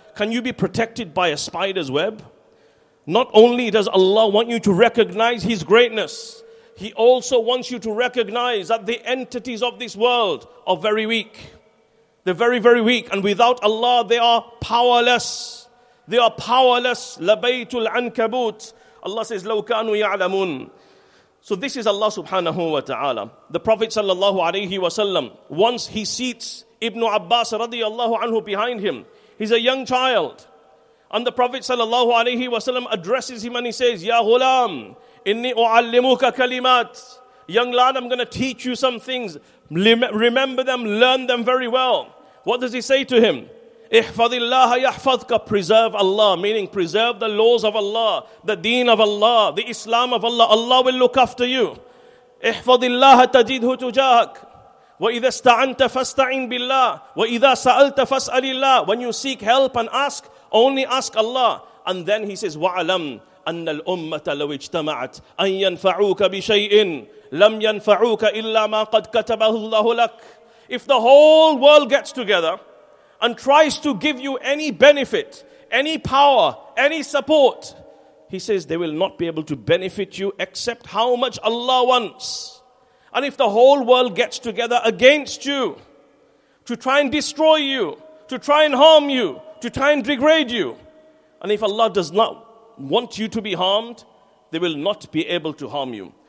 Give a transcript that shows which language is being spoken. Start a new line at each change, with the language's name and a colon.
English: Can you be protected by a spider's web? Not only does Allah want you to recognize His greatness, He also wants you to recognize that the entities of this world are very weak. They're very, very weak. And without Allah, they are powerless. They are powerless.
Arabic: لَبَيْتُ الْعَنْكَبُوتِ.
English: Allah says,
Arabic: لَوْ كَانُوا يَعْلَمُونَ.
English: So this is Allah subhanahu wa ta'ala. The Prophet sallallahu alayhi wa sallam, once he seats Ibn Abbas radiallahu anhu behind him. He's a young child. And the Prophet sallallahu alayhi wa sallam addresses him and he says,
Arabic: يَا غُلَامُ إِنِّي أُعَلِّمُكَ كَلِمَاتِ.
English: Young lad, I'm going to teach you some things. Remember them, learn them very well. What does he say to him?
Arabic: احفظِ اللَّهَ يَحْفَظْكَ.
English: Preserve Allah, meaning preserve the laws of Allah, the deen of Allah, the Islam of Allah. Allah will look after you.
Arabic: احفظِ اللَّهَ تَجِدْهُ تُجَاهَكَ. وَإِذَا اسْتَعَنْتَ فَاسْتَعِنْ بِاللَّهِ. وَإِذَا سَأَلْتَ فَاسْأَلِ اللَّهِ.
English: When you seek help and ask, only ask Allah. And then he says,
Arabic: وَعَلَمْ أن الأمة لو اجتمعت أن ينفعوك بشيء لم ينفعوك إلا ما قد كتبه الله لك.
English: If the whole world gets together and tries to give you any benefit, any power, any support, he says they will not be able to benefit you except how much Allah wants. And if the whole world gets together against you to try and destroy you, to try and harm you, to try and degrade you, and if Allah does not want you to be harmed, they will not be able to harm you.